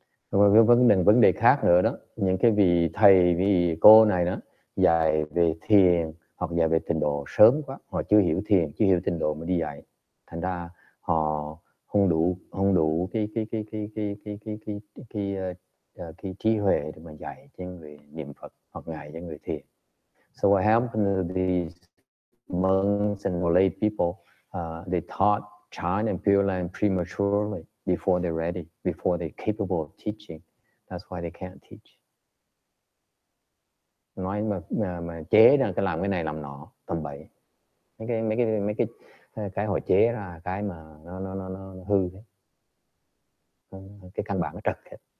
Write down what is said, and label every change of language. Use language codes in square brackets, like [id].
[vi] Vấn đề khác nữa đó, những cái vị thầy, vị cô này đó dạy về thiền hoặc dạy về tịnh độ sớm quá, họ chưa hiểu thiền, chưa hiểu tịnh độ mà đi dạy, thành ra họ không đủ cái trí huệ để mà dạy cho người niệm Phật hoặc ngài cho người thiền. [en] So what happened to these monks and lay people? They taught Chan and Pure Land prematurely. Before they're ready, before they're capable of teaching, that's why they can't teach. [vi] Nói mà chế ra cái làm cái này làm nọ tầm bậy, mấy cái họ chế ra cái mà nó hư thế, cái căn bản nó trật hết.